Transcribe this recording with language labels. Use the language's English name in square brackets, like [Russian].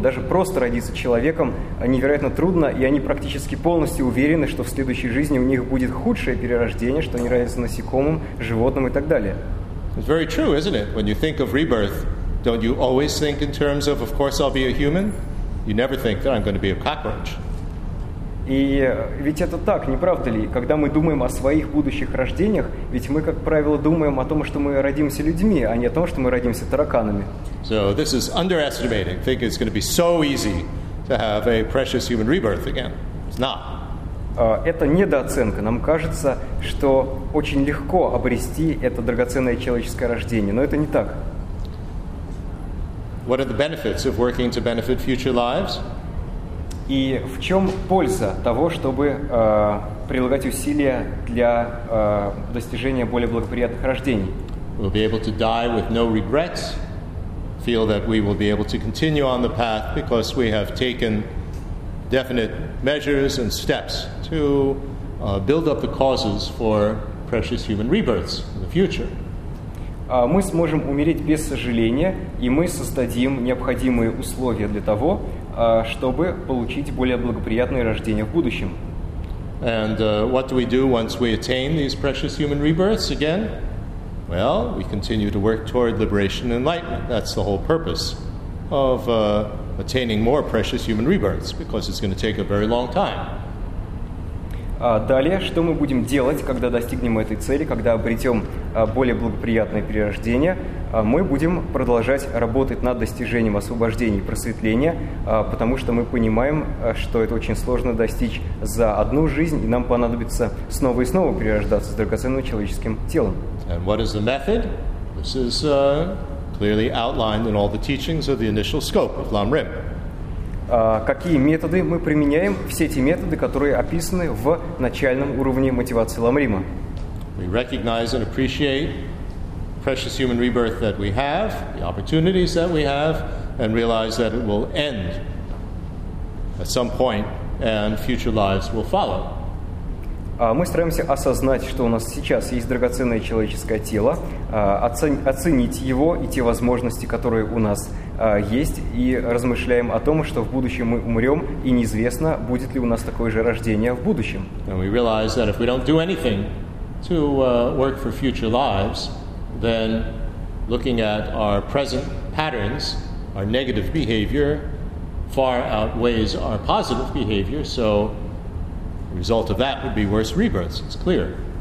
[Russian] Даже просто родиться человеком невероятно трудно, и они практически полностью уверены, что в следующей жизни у них будет худшее перерождение, что они родятся насекомым, животным и так далее. [English] It's very true, isn't it? When you think of rebirth, don't you always think in terms of course I'll be a human? You never think that I'm going to be a cockroach. [Russian] И ведь это так, не правда ли? Когда мы думаем о своих будущих рождениях, ведь мы, как правило, думаем о том, что мы родимся людьми, а не о том, что мы родимся тараканами. [English] So this is underestimating. Think it's going to be so easy to have a precious human rebirth again. It's not. [Russian] Это недооценка. Нам кажется, что очень легко обрести это драгоценное человеческое рождение, но это не так. [English] What are the benefits of working to benefit future lives? [Russian] И в чем польза того, чтобы прилагать усилия для достижения более благоприятных рождений? [English] We'll be able to die with no regrets, feel that we will be able to continue on the path because we have taken definite measures and steps to build up the causes for precious human rebirths in the future. [Russian] Мы сможем умереть без сожаления, и мы создадим необходимые условия для того, чтобы получить более благоприятные рождения в будущем. [English] And what do we do once we attain these precious human rebirths again? Well, we continue to work toward liberation and enlightenment. That's the whole purpose of attaining more precious human rebirths, because it's going to take a very long time. [Russian] Далее, что мы будем делать, когда достигнем этой цели, когда обретем более благоприятное перерождение? Мы будем продолжать работать над достижением освобождения и просветления, потому что мы понимаем, что это очень сложно достичь за одну жизнь, и нам понадобится снова и снова перерождаться с драгоценным человеческим телом. [English] And what is the method? This is clearly outlined in all the teachings of the initial scope of Lam Rim. [Russian] Какие методы мы применяем? Все те методы, которые описаны в начальном уровне мотивации Лам Рима. [English] We recognize and appreciate precious human rebirth that we have, the opportunities that we have, and realize that it will end at some point, and future lives will follow. [Russian] Мы стараемся осознать, что у нас сейчас есть драгоценное человеческое тело, оценить его и те возможности, которые у нас есть, и размышляем о том, что в будущем мы умрем, и неизвестно, будет ли у нас такое же рождение в будущем. [English] And we realize that if we don't do anything to work for future lives, then looking at our present patterns, our negative behavior far outweighs our positive behavior, so the result of that would be worse rebirths, it's clear.